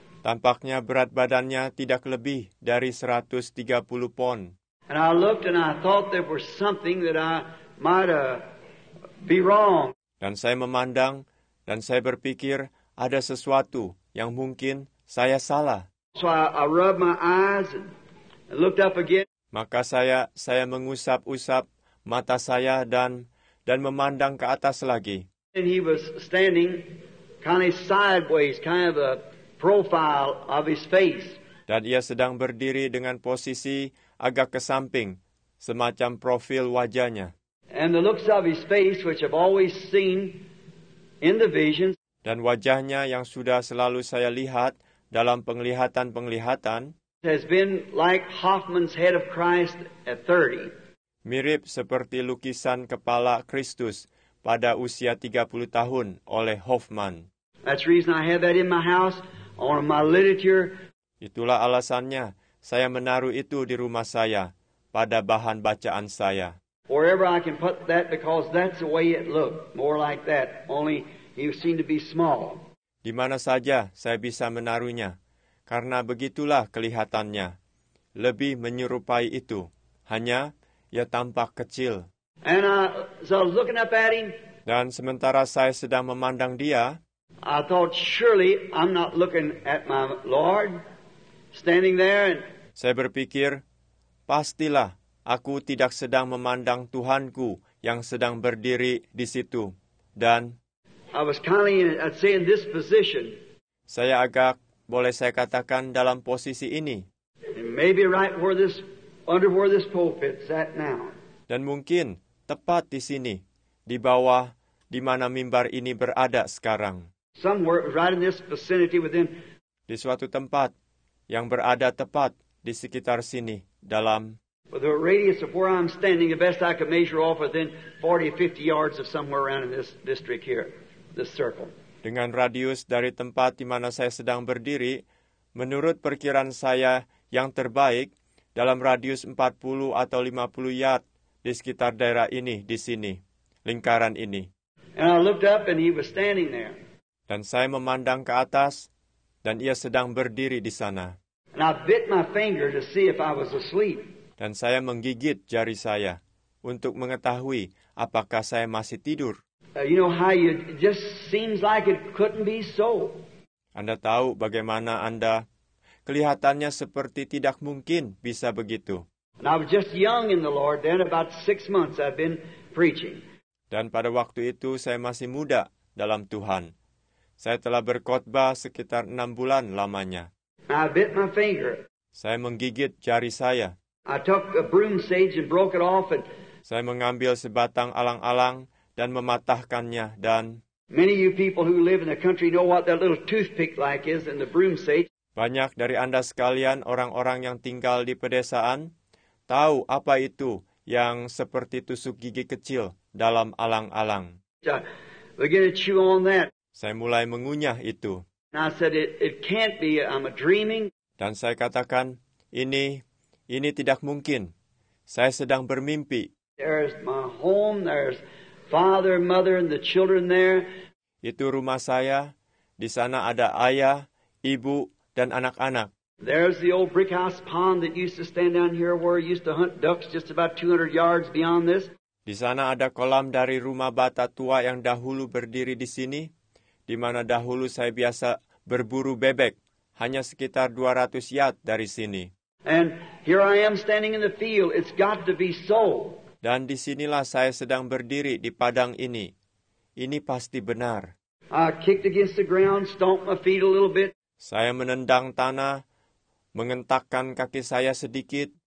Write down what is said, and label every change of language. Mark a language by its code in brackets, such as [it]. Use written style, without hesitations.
[id] Tampaknya berat badannya tidak lebih dari 130 pon. [en] And I looked and I thought there was something that I might be wrong. [id] Dan saya memandang dan saya berpikir ada sesuatu yang mungkin saya salah. [en] So I rubbed my eyes and looked up again. [id] Maka saya mengusap-usap mata saya dan memandang ke atas lagi. [en] And he was standing kind of sideways, kind of a profile of his face. [id] Dan ia sedang berdiri dengan posisi agak ke samping, semacam profil wajahnya. [en] And the looks of his face, which I've always seen in the visions. [id] Dan wajahnya yang sudah selalu saya lihat dalam penglihatan-penglihatan. [en] Has been like Hoffman's head of Christ at 30. [id] Mirip seperti lukisan kepala Kristus pada usia 30 tahun oleh Hoffman. [en] That's the reason I have that in my house. On my literature. [id] Itulah alasannya saya menaruh itu di rumah saya pada bahan bacaan saya. [en] Wherever I can put that, because that's the way it looked, more like that. Only he seemed to be small. [id] Di mana saja saya bisa menaruhnya, karena begitulah kelihatannya, lebih menyerupai itu. Hanya ia tampak kecil. [en] And so I was looking up at him. [id] Dan sementara saya sedang memandang dia. [en] I thought, surely I'm not looking at my Lord standing there. And [id] saya berpikir, pastilah aku tidak sedang memandang Tuhanku yang sedang berdiri di situ. Dan [en] I was kind of in this position. [id] Saya agak, boleh saya katakan, dalam posisi ini. [en] And maybe right where this, under where this pulpit's at now. [id] Dan mungkin tepat di sini, di bawah di mana mimbar ini berada sekarang. [en] Somewhere right in this vicinity within. [id] Di suatu tempat yang berada tepat di sekitar sini dalam. [en] With the radius of where I'm standing, the best I could measure off within 40 or 50 yards of somewhere around in this district here, this circle. [id] Dengan radius dari tempat di mana saya sedang berdiri, menurut perkiraan saya yang terbaik, dalam radius 40 atau 50 yard di sekitar daerah ini, di sini, lingkaran ini. [en] And I looked up and he was standing there. [id] Dan saya memandang ke atas, dan ia sedang berdiri di sana. [en] And I bit my finger to see if I was asleep. [id] Dan saya menggigit jari saya untuk mengetahui apakah saya masih tidur. [en] You know how it just seems like it couldn't be so. [id] Anda tahu bagaimana Anda kelihatannya seperti tidak mungkin bisa begitu. [en] And I was just young in the Lord then, about 6 months I've been preaching. [id] Dan pada waktu itu saya masih muda dalam Tuhan. Saya telah berkhotbah sekitar 6 bulan lamanya. [en] I bit my finger. [id] Saya menggigit jari saya. [en] I took a broom sage and broke it off and [id] saya mengambil sebatang alang-alang dan mematahkannya dan [en] many of you people who live in the country know what that little toothpick like is and the broom sage. [id] Banyak dari Anda sekalian orang-orang yang tinggal di pedesaan tahu apa itu yang seperti tusuk gigi kecil dalam alang-alang. [en] Begin to chew on that. [id] Saya mulai mengunyah itu. [en] And I said it can't be, I'm a dreaming. [id] Dan saya katakan ini tidak mungkin. Saya sedang bermimpi. [en] There's my home, there's father, mother and the children there. [id] Itu rumah saya. Di sana ada ayah, ibu dan anak-anak. [en] There's the old brick house pond that used to stand down here where we used to hunt ducks just about 200 yards beyond this. [id] Di sana ada kolam dari rumah bata tua yang dahulu berdiri di sini, di mana dahulu saya biasa berburu bebek, hanya sekitar 200 yard dari sini. [en] And here I am standing in the field. It's got to be so. [id] Dan di sinilah saya sedang berdiri di padang ini. Ini pasti benar. [en] I kicked against the ground, stomped my feet a little bit. [id] Saya menendang tanah, mengentakkan kaki saya sedikit.